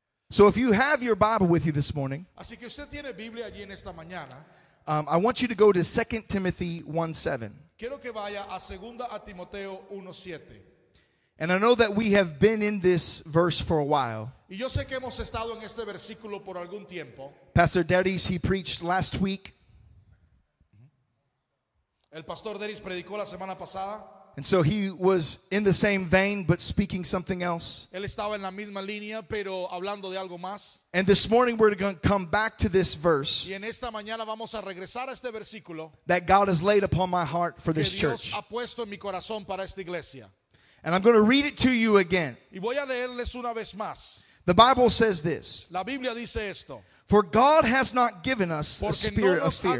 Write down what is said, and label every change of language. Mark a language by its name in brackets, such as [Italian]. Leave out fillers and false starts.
[English] So if you have your Bible with you this morning, [Spanish] así que usted tiene Biblia allí en esta mañana, [English] I want you to go to 2 Timothy 1:7. [Spanish] Quiero que vaya a 2 Timoteo 1:7. [English] And I know that we have been in this verse for a while. [Spanish] Y yo sé que hemos estado en este versículo por algún tiempo. [English] Pastor Deris, he preached last week. [Spanish] El pastor Deris predicó la semana pasada. [English] And so he was in the same vein, but speaking something else. [Spanish] Él estaba en la misma línea, pero hablando de algo más. [English] And this morning we're going to come back to this verse. [Spanish] Y en esta mañana vamos a regresar a este versículo. [English] That God has laid upon my heart for this church. [Spanish] Que Dios ha puesto en mi corazón para esta iglesia. [English] And I'm going to read it to you again. [Spanish] Y voy a leerles una vez más. [English] The Bible says this. [Spanish] La Biblia dice esto. [English] For God has not given us a spirit of fear,